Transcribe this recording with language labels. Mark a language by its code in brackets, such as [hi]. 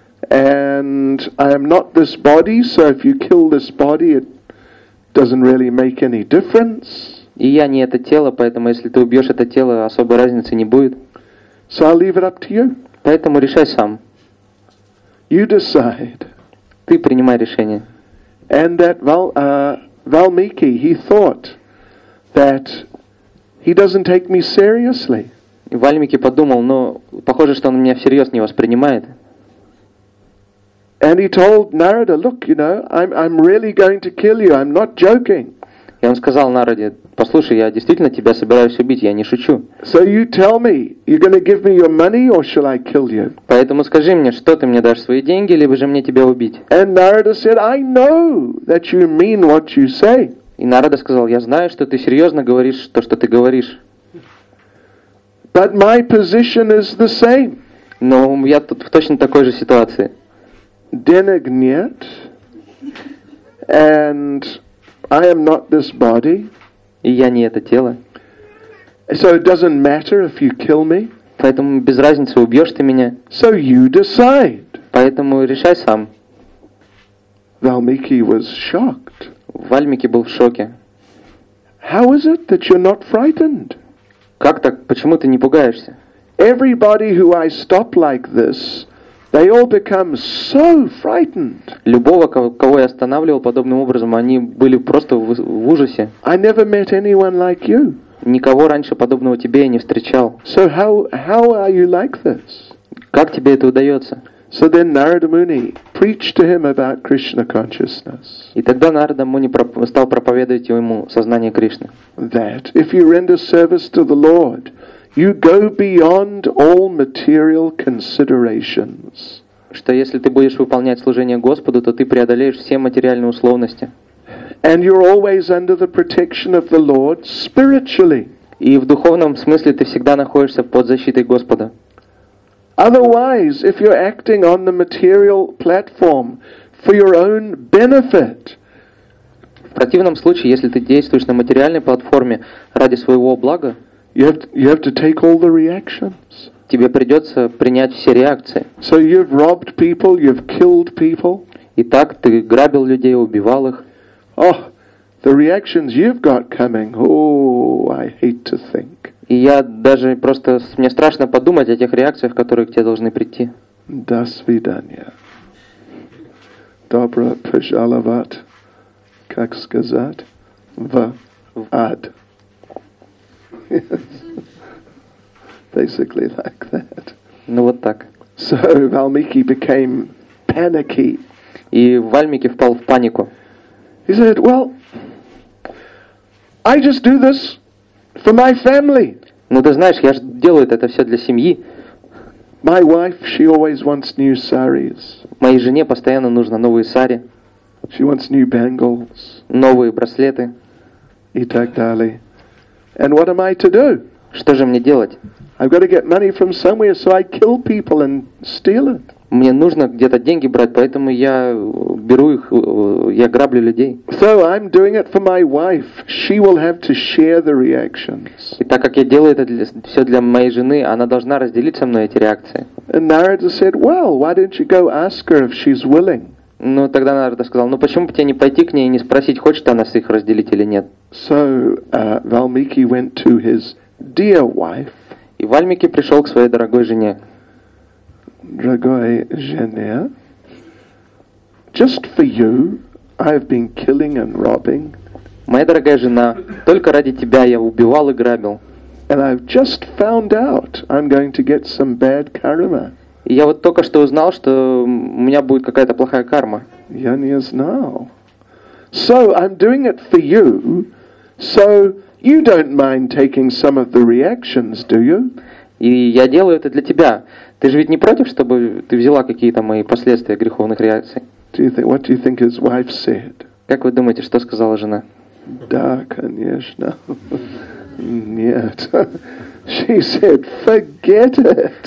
[en] And I am not this body, so if you kill this body, it doesn't really make any difference. [ru] И я не это тело, поэтому если ты убьешь это тело, особой разницы не будет. [en] So I'll leave it up to you. [ru] Поэтому решай сам. [en] You decide. [ru] Ты принимай решение. [en] And that Valmiki, he thought that he doesn't take me seriously. [ru] Вальмики подумал, но похоже, что он меня всерьез не воспринимает. [en] And he told Narada, look, you know, I'm really going to kill you. I'm not joking. [ru] И он сказал Нараде, послушай, я действительно тебя собираюсь убить, я не шучу. [en] So you tell me, you're going to give me your money or shall I kill you? [ru] Поэтому скажи мне, что ты мне дашь свои деньги, либо же мне тебя убить? [en] And Narada said, I know that you mean what you say. [ru] И Нарада сказал, я знаю, что ты серьезно говоришь то, что ты говоришь. [en] But my position is the same. [ru] Но я тут в точно такой же ситуации. Денег нет. [en] And I am not this body. [ru] И я не это тело. [en] So it doesn't matter if you kill me. [ru] Поэтому без разницы, убьешь ты меня. [en] So you decide. [ru] Поэтому решай сам. [en] Valmiki was shocked. [ru] Вальмики был в шоке. [en] How is it that you're not frightened? [ru] Как так? Почему ты не пугаешься? [en] Everybody who I stop like this, they all become so frightened. [ru] Любого, кого я останавливал подобным образом, они были просто в ужасе. [en] I never met anyone like you. [ru] Никого раньше подобного тебе я не встречал. [en] So how are you like this? [ru] Как тебе это удается? [en] So then Narada Muni preached to him about Krishna consciousness. [ru] И тогда Нарада Муни стал проповедовать ему сознание Кришны. [en] That if you render service to the Lord, you go beyond all material considerations. [ru] Что если ты будешь выполнять служение Господу, то ты преодолеешь все материальные условности. [en] And you're always under the protection of the Lord spiritually. [ru] И в духовном смысле ты всегда находишься под защитой Господа. [en] Otherwise, if you're acting on the material platform for your own benefit. [ru] В противном случае, если ты действуешь на материальной платформе ради своего блага, [en] You have to take all the reactions. [ru] Тебе придется принять все реакции. [en] So you've robbed people, you've killed people. [ru] Итак, ты грабил людей, убивал их. [en] Oh, the reactions you've got coming. Oh, I hate to think. [ru] И я даже просто мне страшно подумать о тех реакциях, которые к тебе должны прийти. До свидания. Добро пожаловать, как сказать, в ад. [en] Basically like that. [ru] Ну вот так. [en] So Valmiki became panicky. [ru] И Вальмики впал в панику. [en] He said, "Well, I just do this for my family." [ru] Ну ты знаешь, я же делаю это все для семьи. [en] My wife, she always wants new saris. [ru] Моей жене постоянно нужно новые сари. [en] She wants new bangles. [ru] Новые браслеты. И так далее. [en] And what am I to do? [ru] Что же мне делать? [en] I've got to get money from somewhere, so I kill people and steal it. [ru] Мне нужно где-то деньги брать, поэтому я беру их, я граблю людей. [en] So I'm doing it for my wife. She will have to share the reactions. [ru] И так как я делаю это все для моей жены, она должна разделить со мной эти реакции. [en] And Narada said, "Well, why don't you go ask her if she's willing?" [ru] Ну тогда Нарада сказал, ну почему бы тебе не пойти к ней и не спросить, хочет она их разделить или нет? [en] So Valmiki went to his dear wife. [ru] И Вальмики пришел к своей дорогой жене. Дорогой жене, [en] just for you, I've been killing and robbing. [ru] Моя дорогая жена, только ради тебя я убивал и грабил. [en] And I've just found out I'm going to get some bad karma. [ru] И я вот только что узнал, что у меня будет какая-то плохая карма. Я не знал. [en] So I'm doing it for you, so you don't mind taking some of the reactions, do you? [ru] И я делаю это для тебя. Ты же ведь не против, чтобы ты взяла какие-то мои последствия греховных реакций? [en] What do you think his wife said? [ru] Как вы думаете, что сказала жена? Да, конечно. Нет. [en] She said, forget it.